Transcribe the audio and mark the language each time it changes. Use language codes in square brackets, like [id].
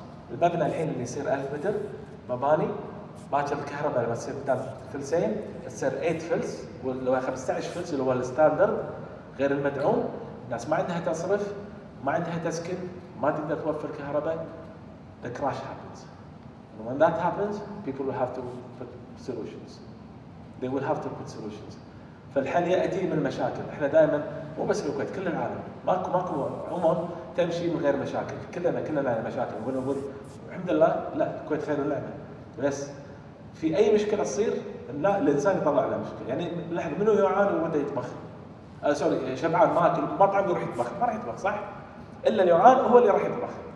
[ar] المبنى الحين اللي يصير 1000 متر مباني، باكر الكهرباء لما تصير بدال فلسين تصير 8 فلس واللي هو 15 فلس اللي هو الستاندرد غير المدعوم. الناس ما عندها تصرف، ما عندها تسكن، ما تقدر توفر كهرباء. [en] The crash happens. And when that happens, people will have to put solutions. They will have to put solutions. [ar] فالحل ياتي من المشاكل. احنا دائما مو بس في الكويت، كل العالم ماكو عمر تمشي من غير مشاكل. كلنا على مشاكل ونقول الحمد لله. لا الكويت خير ونعمه، بس في اي مشكله تصير الانسان يطلع لها مشكله. يعني لحظه منو يعاني ومتى يطبخ؟ سوري شبعان ما اكل مطعم يروح يطبخ؟ ما راح يطبخ صح؟ الا اللي يعاني هو اللي راح يطبخ.